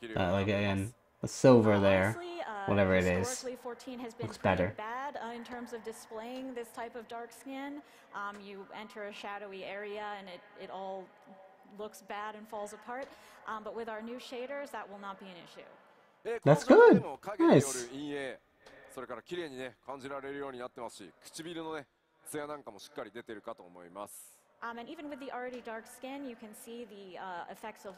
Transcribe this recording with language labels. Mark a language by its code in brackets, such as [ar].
[en] Like again, the silver there, whatever it is, looks better. Bad in terms of displaying this type of dark skin. You enter a shadowy area and it all looks bad and falls apart. But with our new shaders, that will not be an issue. That's good. Nice. [ja] それから綺麗にね感じられるようになってますし、唇のね艶なんかもしっかり出てるかと思います。 [en] And even with the already dark skin, you can see the effects of.